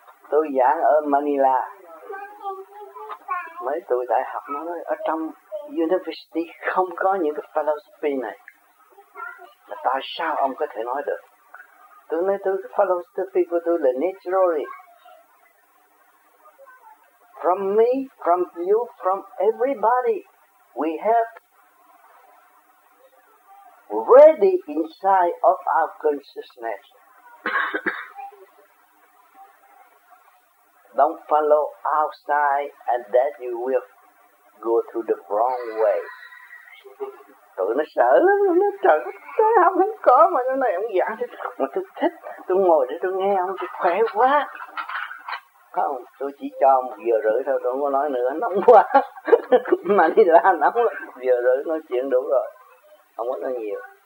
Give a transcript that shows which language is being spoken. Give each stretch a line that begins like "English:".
Vietnamese: Tôi giảng ở Manila. Mấy tuổi đại học nó nói ở trong university không có những cái philosophy này. Mà tại sao ông có thể nói được? Tôi nói tôi cái philosophy của tôi là naturally.
English: From me, from you, from everybody, we have ready inside of our consciousness. Don't follow outside and then you will go to the wrong way.
Vietnamese: Tụi nó sợ lắm, nó trời, tôi không có mà cái này ông giảng thì mà tôi thích, tôi ngồi để tôi nghe ông thì khỏe quá. Không, tôi chỉ cho một giờ rưỡi thôi, tôi không có nói nữa, nóng quá. Mà đi ra nóng lắm, giờ rưỡi nói chuyện đủ rồi, không có nói nhiều.